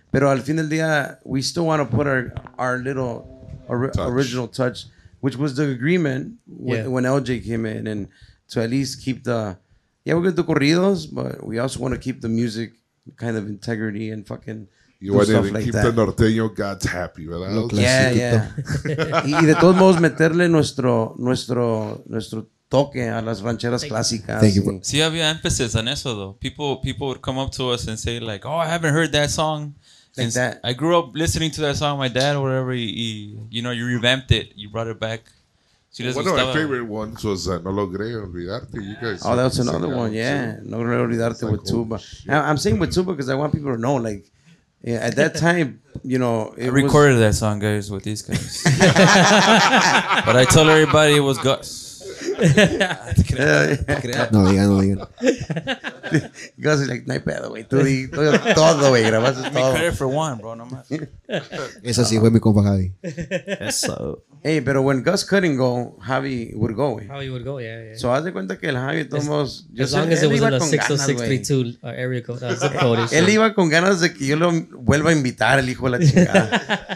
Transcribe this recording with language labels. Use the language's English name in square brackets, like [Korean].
[Spanish] Pero al fin del día, [English] we still want to put our little original touch, which was the agreement when LJ came in and to at least keep the, we're going to do corridos, but we also want to keep the music kind of integrity and fucking you want stuff to like keep that. Keep the Norteño gods happy, ¿verdad? Yeah. [Spanish] Y de todos modos, meterle nuestro toque a las rancheras clásicas. [English] Thank you. [Spanish] Sí, había emphasis on eso, though. [English] People would come up to us and say, like, oh, I haven't heard that song. I grew up listening to that song. My dad, or whatever, you revamped it. You brought it back. One of my favorite ones was No Logré Olvidarte. You guys. Oh, that was another one. Yeah, No Logré Olvidarte with Tuba. I'm saying with Tuba because I want people to know. Like, at that time, you know, I recorded that song, guys, with these guys. But I told everybody it was Gus. Gus is like, [Spanish] no hay pedo, [English] güey. [Spanish] Tú di todo, güey. Grabaste todo. [English] Credit for one, bro. No [Spanish] más. Eso sí fue mi compa Javi. Eso. [English] Hey, pero when Gus couldn't go, Javi would go, güey. Javi would go, yeah. [Spanish] So haz de cuenta que el Javi tomos. [English] As long as it was in the 60632 area code, zip code. [Spanish] Él iba con ganas de que yo lo vuelva a invitar, el hijo de la chingada.